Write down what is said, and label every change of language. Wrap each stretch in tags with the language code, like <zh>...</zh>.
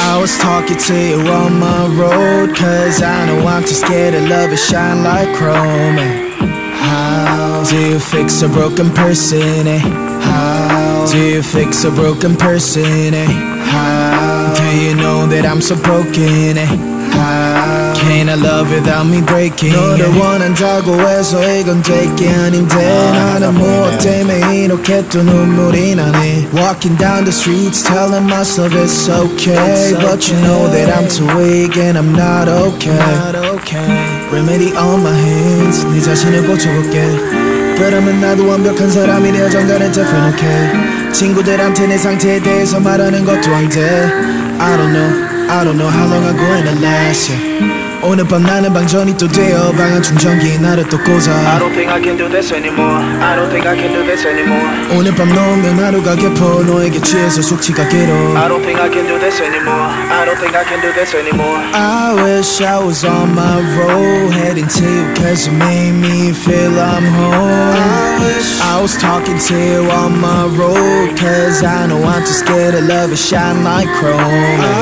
<en>I was talking to you on my road, cause I know I'm too scared of love and shine like chrome. Do you fix a broken person, eh? How? Do you fix a broken person, eh? How? Do you know that I'm so broken, eh? How? Can't I love without me breaking?</en> <ko>너를 원한다고 해서 이건 될게 아닌데 나는 무엇 때문에 이렇게 또 눈물이 나네.</ko> <en>Walking down the streets telling myself it's okay, it's okay. But you know that I'm too weak and I'm not okay, not okay. Remedy on my hands,</en> <ko>네 자신을 고쳐볼게. 바라면 나도 완벽한 사람이 되어 전달해</ko> <en>different okay</en> <ko>친구들한테 내 상태에 대해서 말하는 것도 안 돼</ko> <en>I don't know how long I'm going to last yeah.</en> <ko>오늘 밤 나는 방전이 또 되어 방안 충전기 나를 또 꽂아</ko> <en>I don't think I can do this anymore I don't think I can do this anymore</en> <ko>오늘 밤 녹는 하루가 깊어 너에게 취해서 숙취가 길어</ko> <en>I don't think I can do this anymore I don't think I can do this anymore I wish I was on my road heading to you cause you made me feel I'm home I was talking to you on my road cause I know I'm too scared of love and shine like chrome</en>